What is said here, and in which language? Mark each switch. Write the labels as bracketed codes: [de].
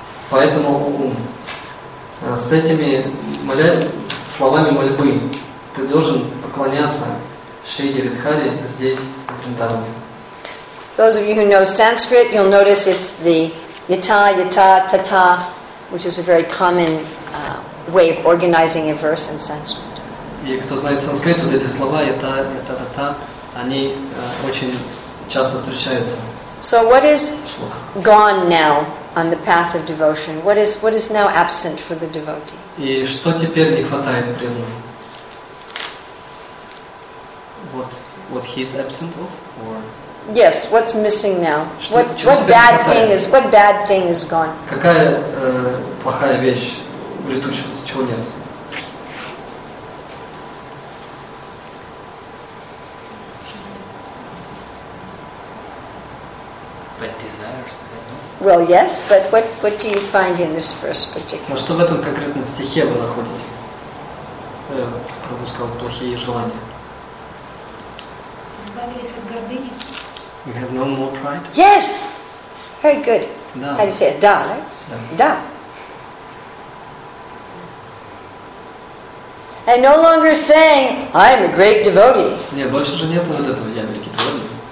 [ru] Поэтому с этими словами мольбы ты должен поклоняться Шри Гиридхаре здесь, в Гандхарвике. [en] Those of you who know Sanskrit, you'll notice it's the yata, yata, tata, which is a very common way of organizing a verse in Sanskrit. [ru] И кто знает санскрит, вот эти слова yata, yata, tata, они очень часто встречаются. [en] So what is gone now on the path of devotion? What is now absent for the devotee? [ru] И что теперь не хватает преданному? [en] What he's absent of, or? Yes, what's missing now? What bad thing is gone? [ru] Какая плохая вещь улетучилась? Чего нет? [en] Bad desires. Well, yes, but what do you find in this verse particularly? [ru] Ну что в этом конкретном стихе вы находите? Пропускал плохие желания. Избавились от гордыни. [en] You have no more pride? Yes! Very good. [ru] Да. [en] How do you say it? Да, right? [ru] Да. Да. [en] And no longer saying, I am a great devotee. [ru] Нет, больше же нет вот этого, я великий преданный.